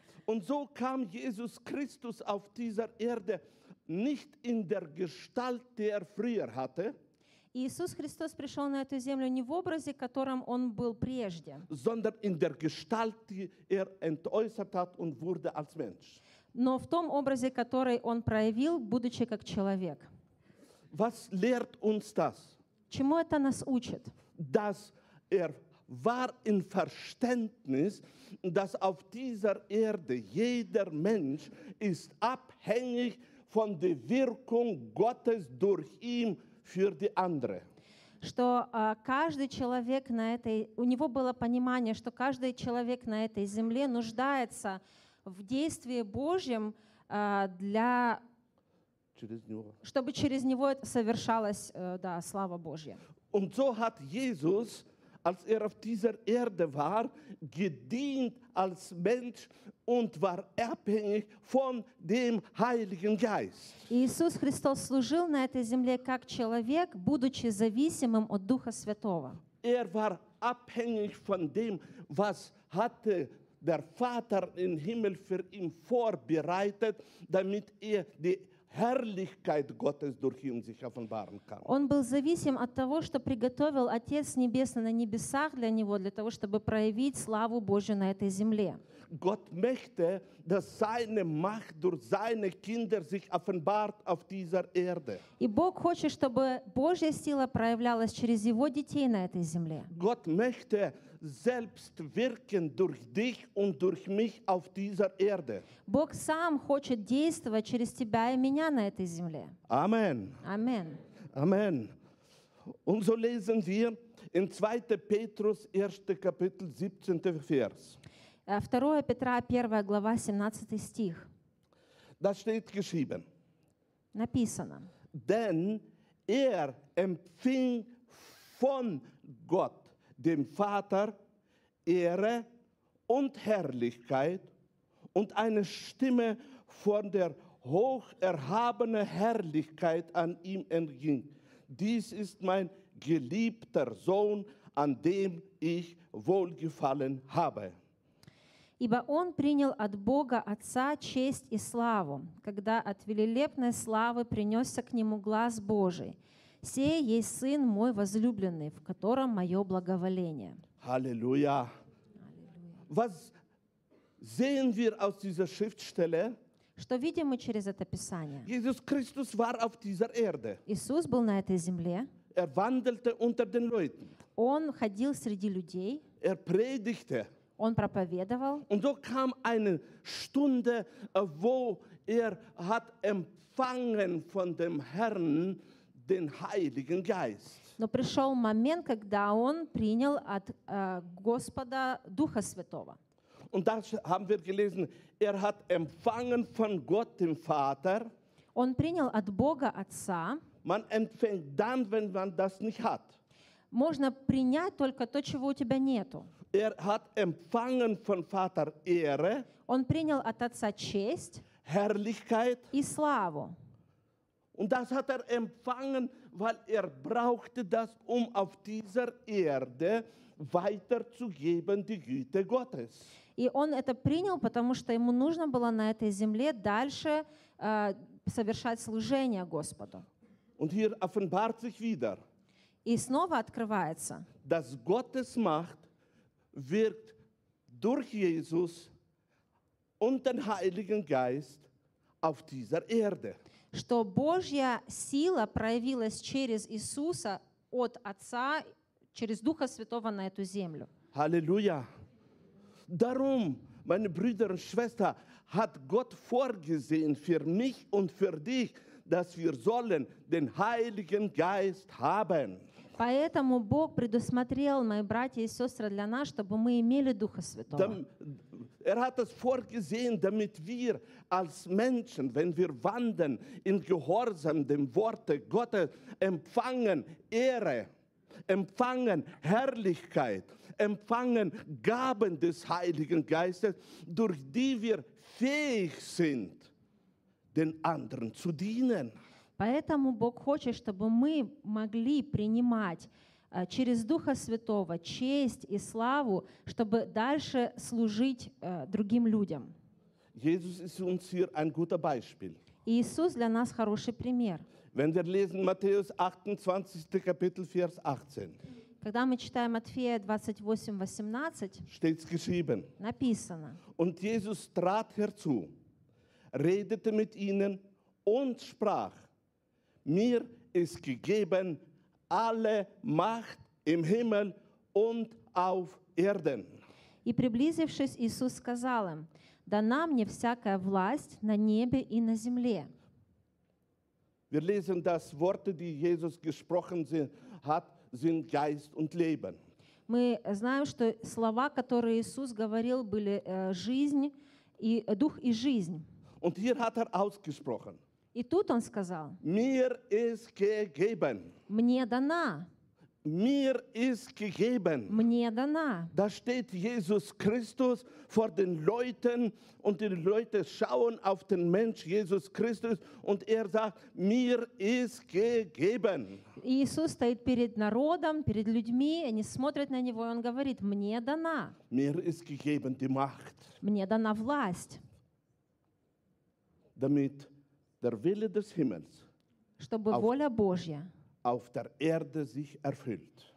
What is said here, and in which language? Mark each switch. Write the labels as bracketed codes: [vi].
[de] Und so kam Jesus Christus auf dieser Erde nicht in der Gestalt, die er früher hatte. [ru] Иисус Христос пришел на эту землю не в образе, которым он был прежде. [de] Sondern in der Gestalt, die er entäußert hat und wurde als Mensch. [ru] Но в том образе, который он проявил, будучи как человек. [de] Was lehrt uns das? [ru] Чему это нас учит? [de] Dass war in Verständnis, dass auf dieser Erde jeder Mensch ist abhängig von der Wirkung Gottes durch ihn für die andere. [ru] Что каждый человек на этой, у него было понимание, что каждый человек на этой земле нуждается в действии Божьем для через него. Чтобы через него это совершалось, да, слава Божья. [de] Und so hat Jesus, als auf dieser Erde war, gedient als Mensch und war abhängig von dem Heiligen Geist. [ru] Иисус Христос служил на этой земле как человек, будучи зависимым от Духа Святого. [de] War abhängig von dem, was hatte der Vater im Himmel für ihn vorbereitet, damit die Herrlichkeit Gottes durch ihn sich offenbaren kann. [ru] Он был зависим от того, что приготовил Отец Небесный на небесах для него, для того, чтобы проявить славу Божию на этой земле. [de] Gott möchte, dass seine Macht durch seine Kinder sich offenbart auf dieser Erde. [ru] И Бог хочет, чтобы Божья сила проявлялась через его детей на этой земле. [de] Gott möchte selbst wirken durch dich und durch mich auf dieser Erde. [ru] Бог сам хочет действовать через тебя и меня на этой земле. [de] Amen. Amen. Amen. Und so lesen wir in 2. Petrus 1. Kapitel 17. Vers. [ru] 2. Петра 1. Глава 17. Стих. [de] Da steht geschrieben. [ru] Написано. [de] Denn empfing von Gott dem Vater Ehre und Herrlichkeit und eine Stimme von der hocherhabenen Herrlichkeit an ihm entging. Dies ist mein geliebter Sohn, an dem ich wohlgefallen habe. [ru] Ибо он принял от Бога Отца честь и славу, когда от велелепной славы принесся к нему глас Божий. Сей есть Сын мой возлюбленный, в котором мое благоволение. Аллилуйя. [de] Was sehen wir aus dieser Schriftstelle? [ru] Что видим мы через это Писание? [de] Jesus Christus war auf dieser Erde. [ru] Иисус был на этой земле. [de] Wandelte unter den Leuten. [ru] Он ходил среди людей. [de] Predigte. [ru] Он проповедовал. [de] Und so kam eine Stunde, wo hat empfangen von dem Herrn den Heiligen Geist. [ru] Но пришел момент, когда он принял от Господа Духа Святого. [de] Und da haben wir gelesen, hat empfangen von Gott dem Vater. [ru] Он принял от Бога Отца. [de] Man empfängt dann, wenn man das nicht hat. [ru] Можно принять только то, чего у тебя нету. [de] Hat empfangen von Vater Ehre. [ru] Он принял от Отца честь. [de] Herrlichkeit. [ru] И славу. [de] Und das hat empfangen, weil brauchte das, auf dieser Erde weiterzugeben, die Güte Gottes. [ru] И он это принял, потому что ему нужно было на этой земле дальше совершать служение Господу. [de] Und hier offenbart sich wieder, [ru] и снова открывается, [de] dass Gottes Macht wirkt durch Jesus und den Heiligen Geist auf dieser Erde. [ru] Что Божья сила проявилась через Иисуса от Отца, через Духа Святого на эту землю. [de] Halleluja. Darum, meine Brüder und Schwestern, hat Gott vorgesehen für mich und für dich, dass wir sollen den Heiligen Geist haben. [ru] Поэтому Бог предусмотрел, мои братья и сестры, для нас, чтобы мы имели Духа Святого. [de] Er hat es vorgesehen, damit wir als Menschen, wenn wir wandeln in Gehorsam dem Worte Gottes, empfangen Ehre, empfangen Herrlichkeit, empfangen Gaben des Heiligen Geistes, durch die wir fähig sind, den anderen zu dienen. [ru] Поэтому Бог хочет, чтобы мы могли принимать через Духа Святого честь и славу, чтобы дальше служить другим людям. [de] Jesus ist uns hier ein guter Beispiel. [ru] Иисус для нас хороший пример. [de] Wenn wir lesen Matthäus 28, Kapitel, Vers 18. [ru] Когда мы читаем Матфея 28:18, [de] steht's geschrieben. [ru] Написано. [de] Und Jesus trat herzu, redete mit ihnen und sprach: Mir ist gegeben alle Macht im Himmel und auf Erden. [ru] И приблизившись, Иисус сказал им: Дана мне всякая власть на небе и на земле. [de] Wir lesen, dass Worte, die Jesus gesprochen hat, sind Geist und Leben. [ru] Мы знаем, что слова, которые Иисус говорил, были жизнь и дух и жизнь. [de] Und hier hat ausgesprochen. [ru] И тут он сказал: [de] Mir ist gegeben. [ru] Мне дана. [de] Mir ist gegeben. [ru] Мне дана. [de] Da steht Jesus Christus vor den Leuten und die Leute schauen auf den Mensch Jesus Christus und sagt: Mir ist gegeben. [ru] Иисус стоит перед народом, перед людьми, они смотрят на него, и он говорит: Мне дана. [de] Mir ist gegeben die Macht. [ru] Мне дана власть. [de] Damit der Wille des Himmels, [ru] чтобы воля Божья [de] auf der Erde sich erfüllt.